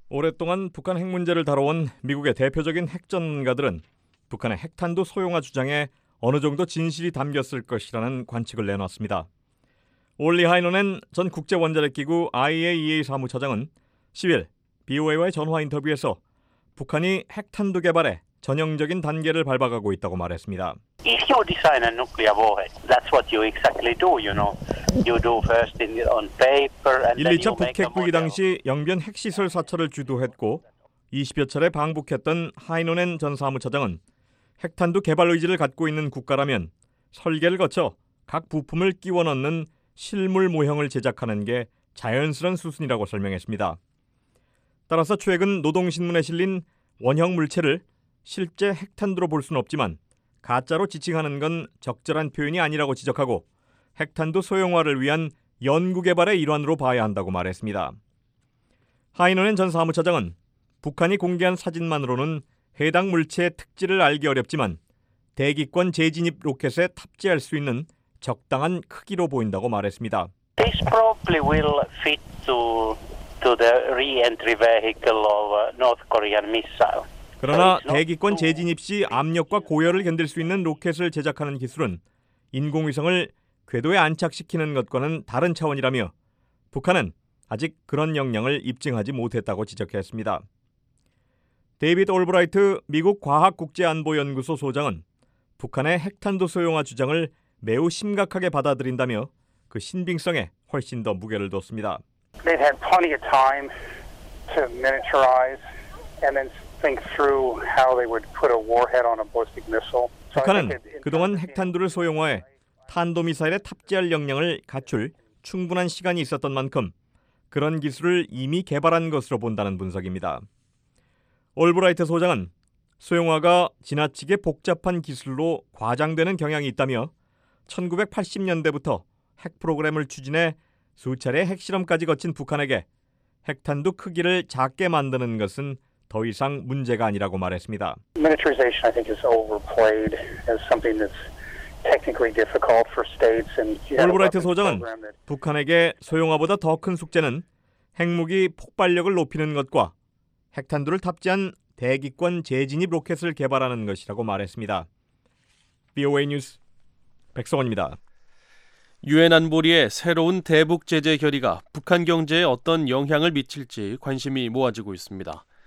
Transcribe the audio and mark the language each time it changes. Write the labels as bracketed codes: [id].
[ko] 오랫동안 북한 핵 문제를 다뤄온 미국의 대표적인 핵 전문가들은 북한의 핵탄두 소형화 주장에 어느 정도 진실이 담겼을 것이라는 관측을 내놨습니다. 올리 하이노넨 전 국제원자력기구 IAEA 사무처장은 10일 BOA와의 전화 인터뷰에서 북한이 핵탄두 개발에 전형적인 단계를 밟아가고 있다고 말했습니다. [en] If you design a nuclear warhead, that's what you exactly do, you know. You do first in on paper and [ko] 1, 2차 북핵부기 당시 영변 핵시설 사찰을 주도했고 20여 차례 방북했던 하이노넨 전 사무처장은 핵탄두 개발 의지를 갖고 있는 국가라면 설계를 거쳐 각 부품을 끼워 넣는 실물 모형을 제작하는 게 자연스러운 수순이라고 설명했습니다. 따라서 최근 노동신문에 실린 원형 물체를 실제 핵탄두로 볼 수는 없지만 가짜로 지칭하는 건 적절한 표현이 아니라고 지적하고 핵탄두 소형화를 위한 연구개발의 일환으로 봐야 한다고 말했습니다. 하이노넨 전 사무처장은 북한이 공개한 사진만으로는 해당 물체의 특질을 알기 어렵지만 대기권 재진입 로켓에 탑재할 수 있는 적당한 크기로 보인다고 말했습니다. [en] This probably will fit to the re-entry vehicle of a North Korean missile. [ko] 그러나 대기권 재진입 시 압력과 고열을 견딜 수 있는 로켓을 제작하는 기술은 인공위성을 궤도에 안착시키는 것과는 다른 차원이라며 북한은 아직 그런 역량을 입증하지 못했다고 지적했습니다. 데이빗 올브라이트 미국 과학국제안보연구소 소장은 북한의 핵탄두 소형화 주장을 매우 심각하게 받아들인다며 그 신빙성에 훨씬 더 무게를 뒀습니다. [en] They've had plenty of time to miniaturize and then think through how they would put a warhead on a ballistic missile. [ko] 북한은 그동안 핵탄두를 소형화해 탄도미사일에 탑재할 역량을 갖출 충분한 시간이 있었던 만큼 그런 기술을 이미 개발한 것으로 본다는 분석입니다. 올브라이트 소장은 소형화가 지나치게 복잡한 기술로 과장되는 경향이 있다며 1980년대부터 핵 프로그램을 추진해 수차례 핵실험까지 거친 북한에게 핵탄두 크기를 작게 만드는 것은 더 이상 문제가 아니라고 말했습니다. [en] Miniaturization, I think, is overplayed as something that's technically difficult for states. [ko] 올브라이트 소장은 북한에게 소형화보다 더 큰 숙제는 핵무기 폭발력을 높이는 것과 핵탄두를 탑재한 대기권 재진입 로켓을 개발하는 것이라고 말했습니다. BOA 뉴스 백성원입니다. 유엔 안보리의 새로운 대북 제재 결의가 북한 경제에 어떤 영향을 미칠지 관심이 모아지고 있습니다.